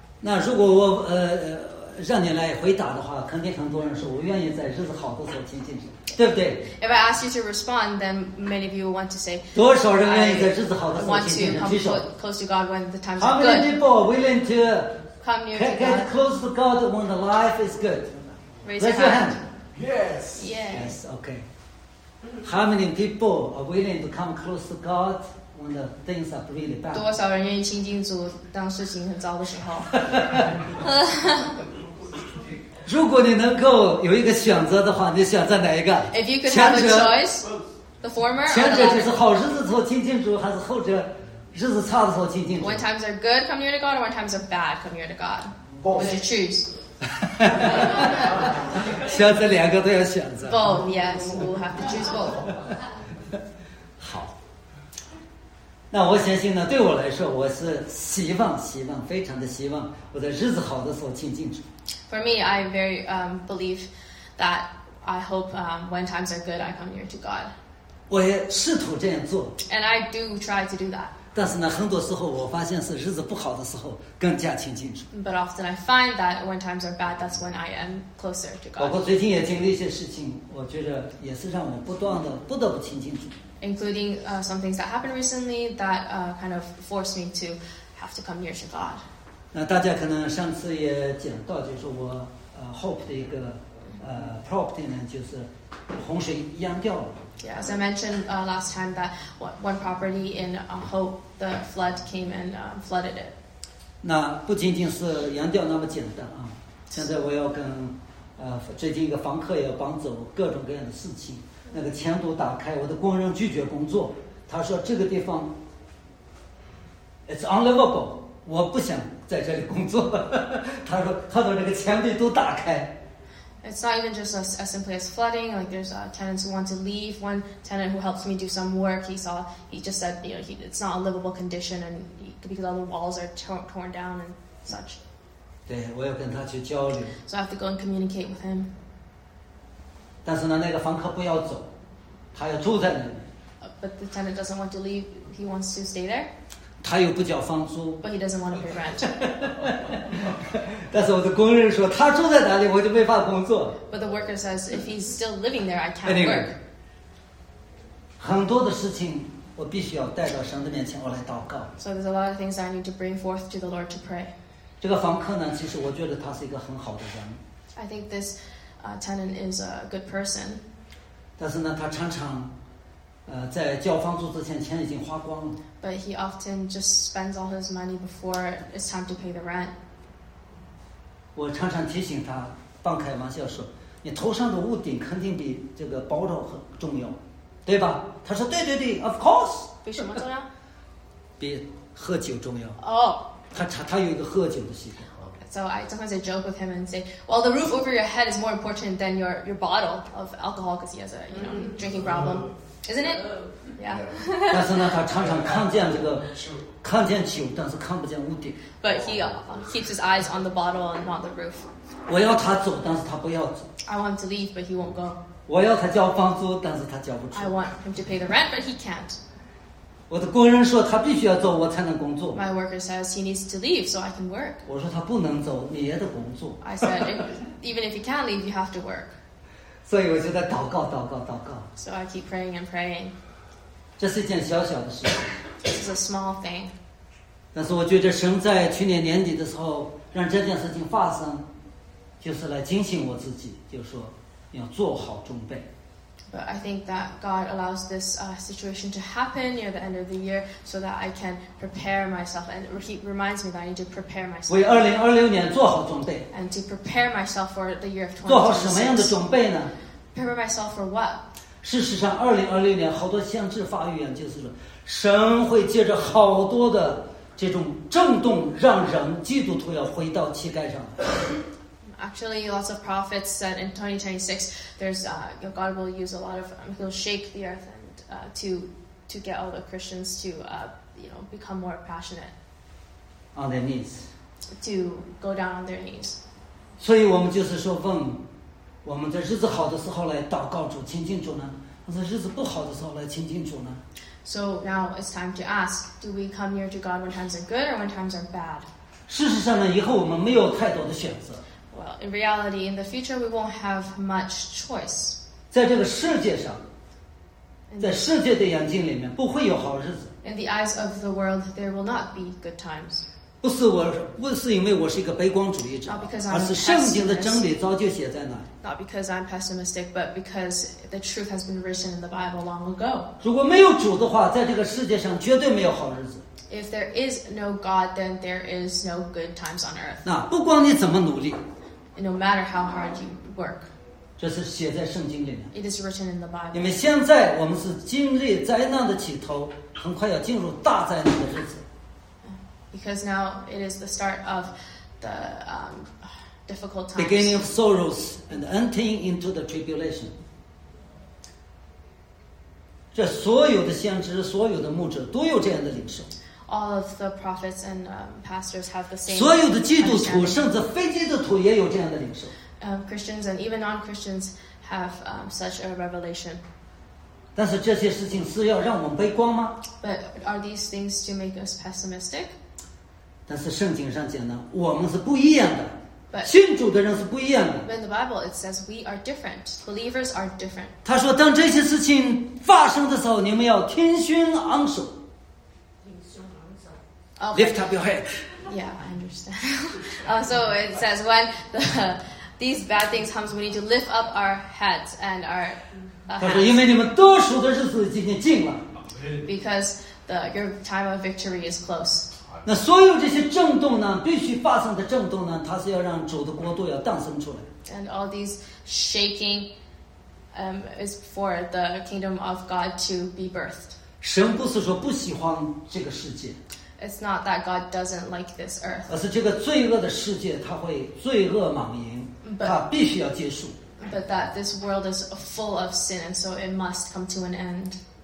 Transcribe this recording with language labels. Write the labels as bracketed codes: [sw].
[zh] 那如果我让你来回答的话，肯定很多人说我愿意在日子好的时候亲近神，对不对 [en] ？If I ask you to respond, then many of you want to say. [zh] 多少人愿意在日子好的时候亲近神？举手。 [en] Want to come close to God when the times are good. How many people willing to come near to God? Get close to God when the life is good. Raise your hand. Yes. Yes. Okay. How many people are willing to come close to God when the things are really bad? [zh] 多少人愿意亲近主当事情很糟的时候？如果你能够有一个选择的话，你选择哪一个？ [en] If you could have a choice, the former or the latter? [zh] 前者就是好日子做亲近主，还是后者日子差的时候亲近主？ [en] When times are good, come near to God, or when times are bad, come near to God. What would you choose? [zh] 现在两个都要选择。 [en] Both, yes, we'll have to choose both. [zh] 好，那我相信呢，对我来说，我是希望，希望，非常的希望，我在日子好的时候亲近主。 [en] For me, I very believe that I hope when times are good, I come near to God. [zh] 我也试图这样做。 [en] And I do try to do that. [zh] 但是呢，很多时候我发现是日子不好的时候更加亲近主。 [en] But often I find that when times are bad, that's when I am closer to God. [zh] 包括最近也经历一些事情，我觉得也是让我不断的不得不亲近主。 [en] Including some things that happened recently that kind of forced me to have to come near to God. [zh] 那大家可能上次也讲到，就是我hope 的一个property 呢，就是洪水淹掉了。 [en] Yeah, as I mentioned last time, that one property in Hope, the flood came and flooded it. [zh] 那不仅仅是扬掉那么简单啊！现在我要跟最近一个房客也搬走，各种各样的事情。那个前途打开，我的工人拒绝工作。他说这个地方 ， [en] it's unlivable， [zh] 我不想在这里工作。他说这个前途都打开。 [en] It's not even just as simply as flooding. Like there's tenants who want to leave. One tenant who helps me do some work, he just said, you know, it's not a livable condition, and because all the walls are torn down and such. [zh] 对，我要跟他去交流。 [en] So I have to go and communicate with him. [zh] 但是呢，那个房客不要走，他要住在那里。 [en] But the tenant doesn't want to leave. He wants to stay there. [zh] 他又不交房租。 [en] But he doesn't want to pay rent. [zh] 但是我的工人说他住在哪里我就没法工作 [en] But the worker says if he's still living there I can't anyway, work [zh] 很多的事情我必须要带到神的面前我来祷告 [en] So there's a lot of things I need to bring forth to the Lord to pray [zh] 这个房客呢其实我觉得他是一个很好的人 [en] I think this tenant is a good person [zh] 但是呢他常常在交房租之前钱已经花光了 [en] But he often just spends all his money before it's time to pay the rent [zh] 我常常提醒他，半开玩笑说，你头上的屋顶肯定比这个包罩很重要，对吧？他说对对对 ， [en] of course。 [zh] 比什么重要？比喝酒重要。哦、oh.。他有一个喝酒的习惯。 [en] Okay. So I sometimes I joke with him and say, well, the roof over your head is more important than your bottle of alcohol because he has a you know drinking problem, isn't it? Yeah. [zh] 但是呢，他常常看见这个，看见酒，但是看不见屋顶。 [en] But he keeps his eyes on the bottle and not the roof. [zh] 我要他走，但是他不要走。 [en] I want him to leave, but he won't go. [zh] 我要他交房租，但是他交不出。 [en] I want him to pay the rent, but he can't. [zh] 我的工人说他必须要走，我才能工作。 [en] My worker says he needs to leave so I can work. [zh] 我说他不能走，你也得工作。 [en] I said, even if he can't leave, you have to work. [zh] 所以我就在祷告，祷告，祷告。 [en] So I keep praying and praying. [zh] 这是一件小小的事。 [en] This is a small thing. [zh] 但是我觉得神在去年年底的时候让这件事情发生。就是来警醒我自己，就是说要做好准备。 [en] But I think that God allows this situation to happen near the end of the year so that I can prepare myself, and He reminds me that I need to prepare myself. [zh] 为2026年做好准备。 [en] And to prepare myself for the year of 2026. [zh] 做好什么样的准备呢 [en] ？Prepare myself for what？ [zh] 事实上，2026年好多先知发预言，就是说神会借着好多的这种震动，让人基督徒要回到膝盖上。 [en] Actually, lots of prophets said in 2026, there's, God will use a lot of, He'll shake the earth and, to get all the Christians to, you know, become more passionate. On their knees. To go down on their knees. [zh] 所以我们就是说问，我们在日子好的时候来祷告主，亲近主呢？还是日子不好的时候来亲近主呢？ [en] So now it's time to ask, do we come near to God when times are good or when times are bad? [zh] 事实上呢，以后我们没有太多的选择。 [en] Well, in reality, in the future, we won't have much choice. [zh] 在这个世界上，在世界的眼睛里面，不会有好日子。 [en] In the eyes of the world, there will not be good times. [zh] 不是我，不是因为我是一个悲观主义者，而是圣经的真理早就写在那里。 [en] Not because I'm pessimistic, but because the truth has been written in the Bible long ago. [zh] 如果没有主的话，在这个世界上绝对没有好日子。 [en] If there is no God, then there is no good times on earth. [zh] 那不管你怎么努力。 [en] No matter how hard you work, [zh] 这是写在圣经里面。 [en] It is written in the Bible. [zh] 因为现在我们是经历灾难的起头，很快要进入大灾难的日子。 [en] Because now it is the start of the difficult times. Beginning of sorrows and entering into the tribulation. [zh] 这所有的先知，所有的牧者都有这样的领受。 [en] All of the prophets and pastors have the same. [zh] 所有的基督徒，甚至非基督徒也有这样的领受。 [en] Christians and even non-Christians have such a revelation. [zh] 但是这些事情是要让我们悲观吗 [en] ？But are these things to make us pessimistic? [zh] 但是圣经上讲呢，我们是不一样的。 [en] But [zh] 信主的人是不一样的。 [en] In the Bible, it says we are different. Believers are different. [zh] 他说，当这些事情发生的时候，你们要挺胸昂首。 [en] Okay. Lift up your head. Yeah, I understand. So it says when these bad things come, we need to lift up our heads and our hands. Because your time of victory is close. [zh] 那所有这些震动呢，必须发生的震动呢，它是要让主的国度要诞生出来。 [en] And all these shaking is for the kingdom of God to be birthed. [zh] 神不是说不喜欢这个世界。 [en] It's not that God doesn't like this earth. [zh] 而是这个罪恶的世界，它会罪恶满盈，它必须要结束。 [en] But that this world is full of sin, and so it must come to an end.